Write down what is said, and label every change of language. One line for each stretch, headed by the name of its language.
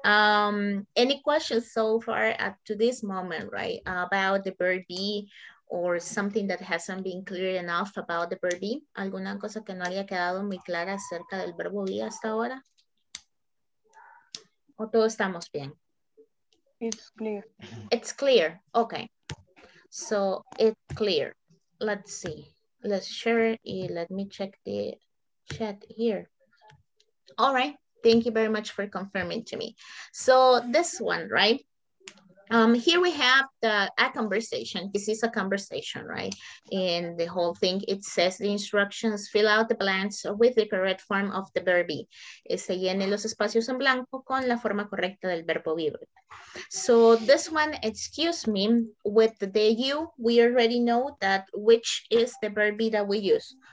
English: Any questions so far up to this moment, right? About the verb be or something that hasn't been clear enough about the verb be?
Spanish: ¿Alguna cosa que no haya quedado muy clara acerca del verbo be hasta ahora? ¿O todos estamos bien?
English: It's clear. It's clear. Okay. So it's clear. Let's see. Let's share it. Let me check the chat here. All right, thank you very much for confirming to me. So this one, right? Here we have a conversation. This is a conversation, right? And the whole thing, it says the instructions, fill out the blanks with the correct form of the verb be.
Spanish: Se llene los espacios en blanco con la forma correcta del verbo vivir.
English: So this one, excuse me, with the you, we already know that which is the verb be that we use.